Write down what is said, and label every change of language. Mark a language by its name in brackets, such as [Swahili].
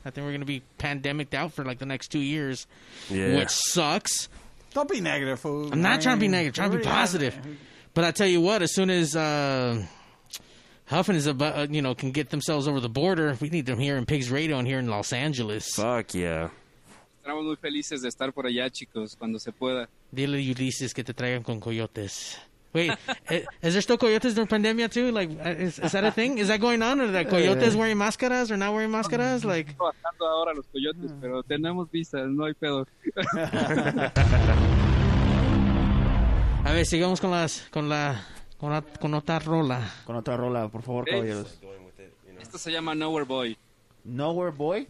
[English] I think we're going to be pandemicked out for like the next 2 years, yeah, which sucks. Don't be negative, fool. I'm not trying to be negative. Trying to be positive. But I tell you what, as soon as Huffin is about, you know, can get themselves over the border, we need them here in Pigs Radio and here in Los Angeles. Fuck yeah. [Spanish] Estamos muy felices de estar por allá, chicos, cuando se pueda. Dile Ulises que te traigan con coyotes. [English] Wait, is there still coyotes during pandemia too? Like, is that a thing? Is that going on? Are the coyotes wearing máscaras or not wearing máscaras? Like, [Spanish] bajando ahora los coyotes, pero tenemos visas, no hay pedo. A ver, sigamos con las con otra rola. Con otra rola, por favor, ¿qué? Caballeros. Esto se llama Nowhere Boy. Nowhere Boy.